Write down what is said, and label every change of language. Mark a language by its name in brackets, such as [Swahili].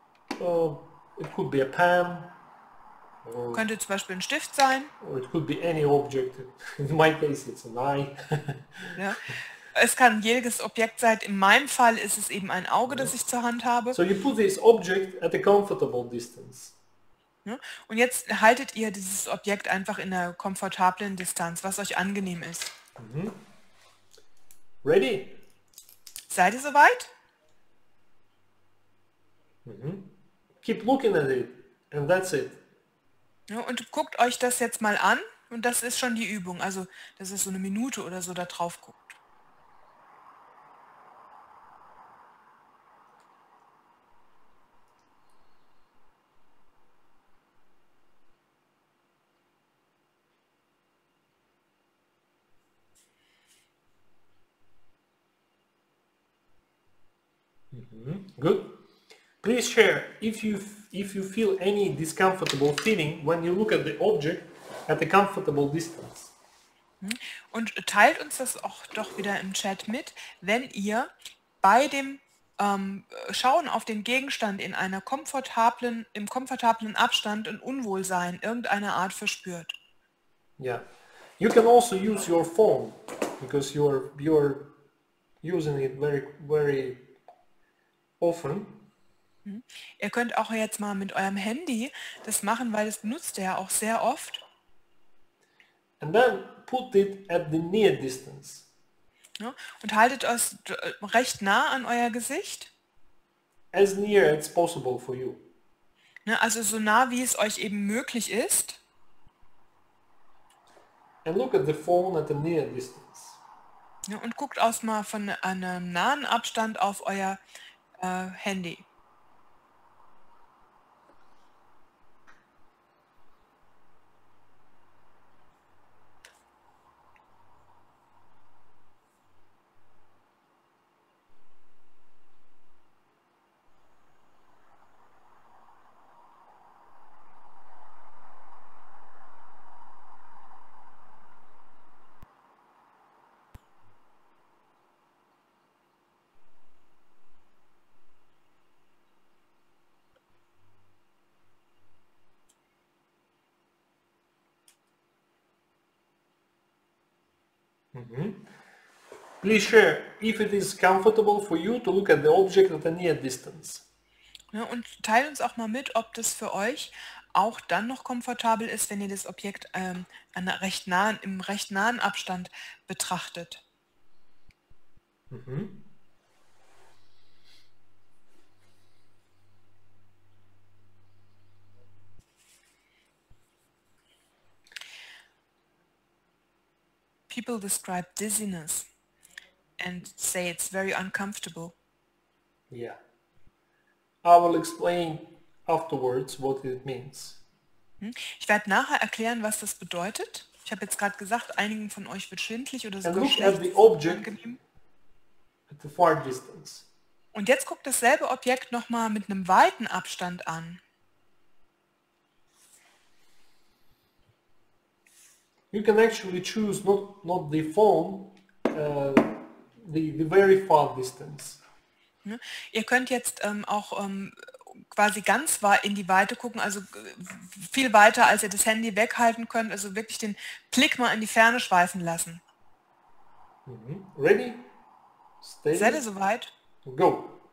[English] It could be a pen. [German] Könnte zum Beispiel ein Stift sein. [English] Or it could be any object. In my case, it's an eye. [German] Ja. Es kann jedes Objekt sein. In meinem Fall ist es eben ein Auge, das ich zur Hand habe. [English] So you put this object at a comfortable distance. [German] Ja. Und jetzt haltet ihr dieses Objekt einfach in einer komfortablen Distanz, was euch angenehm ist. [English] Mm-hmm. Ready? [German] Seid ihr soweit? [English] Mm-hmm. Keep looking at it and that's it. [German] Ja, und guckt euch das jetzt mal an und das ist schon die Übung. Also das ist so eine Minute oder so, da drauf guckt. [English] Good. Please share if you feel any discomfortable feeling when you look at the object at a comfortable distance. [German] Und teilt uns das auch doch wieder im Chat mit, wenn ihr bei dem Schauen auf den Gegenstand in einer komfortablen, im komfortablen Abstand ein Unwohlsein irgendeiner Art verspürt. [English] Yeah. You can also use your phone because you're using it very, very often. [German] Ihr könnt auch jetzt mal mit eurem Handy das machen, weil das benutzt ihr ja auch sehr oft. [English] And then put it at the near distance. [German] Ja, und haltet es recht nah an euer Gesicht. [English] As near as possible for you. [German] Ja, also so nah, wie es euch eben möglich ist. [English] And look at the phone at the near distance. [German] Ja, und guckt aus mal von einem nahen Abstand auf euer Handy. [English] Please share if it is comfortable for you to look at the object at a near distance. [German] Ja, und teilt uns auch mal mit, ob das für euch auch dann noch komfortabel ist, wenn ihr das Objekt im recht nahen Abstand betrachtet. Mhm. [English] People describe dizziness and say it's very uncomfortable. Yeah. I will explain afterwards what it means. [German] Ich werde nachher erklären, was das bedeutet. Ich habe jetzt gerade gesagt, einigen von euch wird schwindelig oder sogar schlecht. [English] And look at the object at the far distance. [German] Und jetzt guckt dasselbe Objekt nochmal mit einem weiten Abstand an. [English] You can actually choose not the phone, the very far distance. [German] Ihr könnt jetzt auch quasi ganz in die Weite gucken, also viel weiter, als ihr das Handy weghalten könnt, also wirklich den Blick mal in die Ferne schweifen lassen. [English] Ready? Steady. [German] Seid ihr soweit? [English] Go!